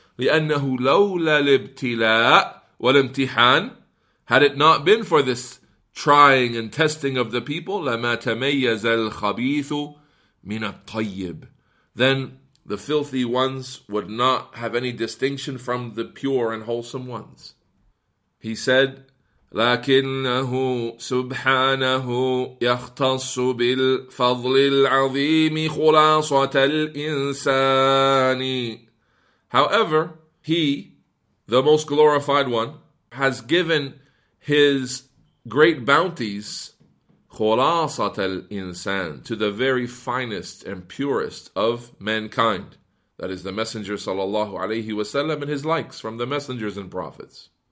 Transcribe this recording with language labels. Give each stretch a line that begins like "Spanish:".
Arabic: لِأَنَّهُ لَوْلَا الْإِبْتِلَاءُ وَالْإِمْتِحَانُ.
English: Had it not been for this trying and testing of the people,
Arabic: لَمَا تَمَيَّزَ الْخَبِيثُ مِنَ الطَّيِّبِ.
English: Then the filthy ones would not have any distinction from the pure and wholesome ones. He said,
Arabic: لكنه سبحانه يختص بالفضل العظيم خلاصة الإنسان.
English: However, he, the most glorified one, has given his great bounties,
Arabic: خلاصة الإنسان,
English: to the very finest and purest of mankind. That is the Messenger sallallahu alayhi wasallam and his likes from the messengers and prophets.